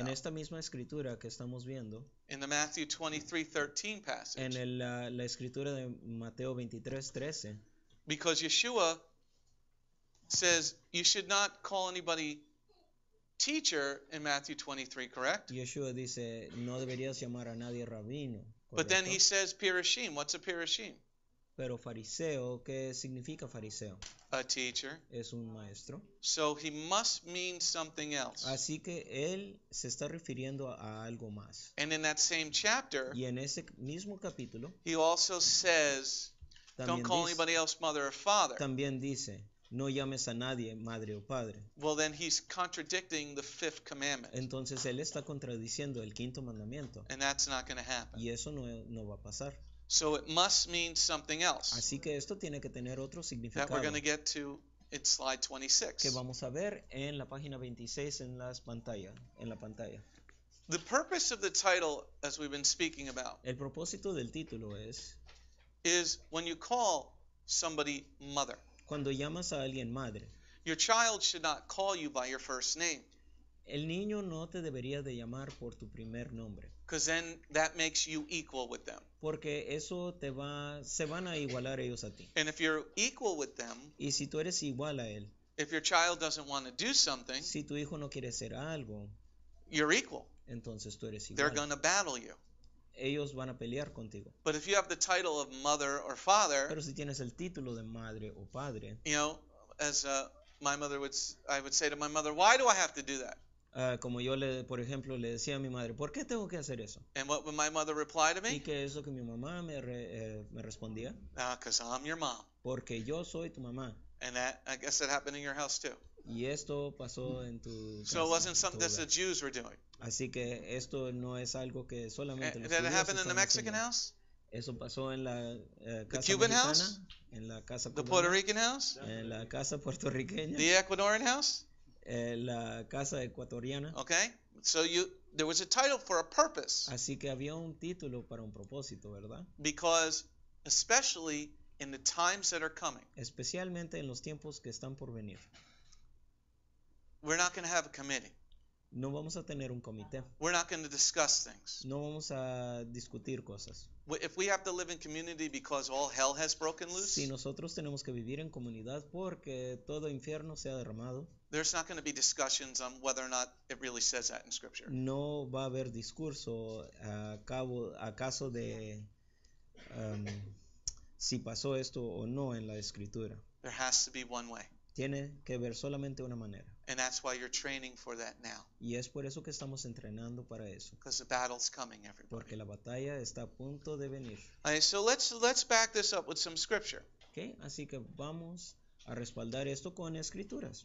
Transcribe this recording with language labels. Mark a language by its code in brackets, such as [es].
[es] En esta misma escritura que estamos viendo. [en] In the Matthew 23:13 passage. [es] En la escritura de Mateo 23:13. [en] Because Yeshua says you should not call anybody teacher in Matthew 23, correct? [es] Yeshua dice, no deberías llamar a nadie rabino. ¿Correcto? [en] But then he says pirashim. What's a pirashim? [es] Pero fariseo, ¿qué significa fariseo? [en] A teacher. [es] Es un maestro. [en] So he must mean something else. [es] Así que él se está refiriendo a algo más. [en] And in that same chapter, [es] y en ese mismo capítulo, [en] he also says, don't call anybody else mother or father. [es] También dice, no llames a nadie madre o padre. [en] Well, then he's contradicting the fifth commandment. [es] Entonces él está contradiciendo el quinto mandamiento. [en] And that's not going to happen. [es] Y eso no va a pasar. [en] So it must mean something else. [es] Así que esto tiene que tener otro significado. [en] That we're going to get to in slide 26. [es] Que vamos a ver en la página 26 en la pantalla. [en] The purpose of the title, as we've been speaking about, [es] el propósito del título es, [en] is when you call somebody mother. [es] Cuando llamas a alguien madre. [en] Your child should not call you by your first name. [es] El niño no te debería de llamar por tu primer nombre. [en] Because then that makes you equal with them. [es] Porque eso se van a igualar ellos a ti. [en] And if you're equal with them, [es] y si tú eres igual a él, [en] if your child doesn't want to do something, [es] si tu hijo no quiere hacer algo, [en] you're equal. [es] Entonces tú eres igual. [en] They're going to battle you. [es] Ellos van a pelear contigo. [en] But if you have the title of mother or father, [es] pero si tienes el título de madre o padre, [en] you know, as my mother would, I would say to my mother, why do I have to do that? [es] Como yo, por ejemplo, le decía a mi madre, ¿por qué tengo que hacer eso? [en] And what would my mother reply to me? [es] ¿Y qué es lo que mi mamá me respondía? [en] Because I'm your mom. [es] Porque yo soy tu mamá. [en] And that, I guess that happened in your house too. [es] Y esto pasó en tu casa. [en] So it wasn't something that the Jews were doing. [es] Así que esto no es algo que solamente los judíos. [en] Did it happen in the Mexican house? [es] Eso pasó en la casa [en] the Cuban [es] mexicana, [en] house? [es] En la casa [en] the Puerto Rican house? [es] En la casa puertorriqueña. [en] The Ecuadorian house? [es] La casa ecuatoriana. [en] Okay, so you there was a title for a purpose. [es] Así que había un título para un propósito, ¿verdad? [en] Because especially in the times that are coming. [es] Especialmente en los tiempos que están por venir. [en] We're not going to have a committee. [es] No vamos a tener un comité. [en] We're not going to discuss things. [es] No vamos a discutir cosas. [en] If we have to live in community because all hell has broken loose. [es] Si nosotros tenemos que vivir en comunidad porque todo infierno se ha derramado. [en] There's not going to be discussions on whether or not it really says that in scripture. [es] No va a haber discurso acaso de si pasó esto o no en la escritura. [en] There has to be one way. [es] Tiene que ver solamente una manera. [en] And that's why you're training for that now. [es] Y es por eso que estamos entrenando para eso. [en] Because the battle's coming, everybody. [es] Porque la batalla está a punto de venir. [en] All right, so let's back this up with some scripture. [es] Okay, así que vamos a respaldar esto con escrituras.